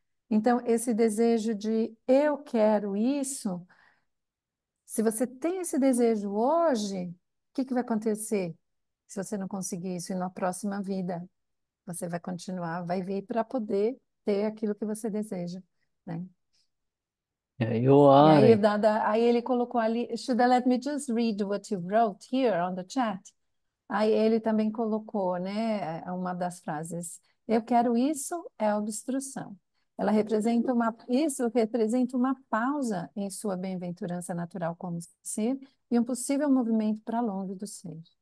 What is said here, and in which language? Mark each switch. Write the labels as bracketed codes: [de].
[pt] Então, esse desejo de eu quero isso, se você tem esse desejo hoje, o que vai acontecer se você não conseguir isso e na próxima vida? Você vai continuar, vai vir para poder ter aquilo que você deseja, né? [en] Yeah, you are. [pt] E aí, aí ele colocou ali, Shuddha, [en] let me just read what you wrote here on the chat. [pt] Aí ele também colocou, né, uma das frases, eu quero isso, é obstrução. Ela representa uma, isso representa uma pausa em sua bem-aventurança natural como ser e um possível movimento para longe do ser.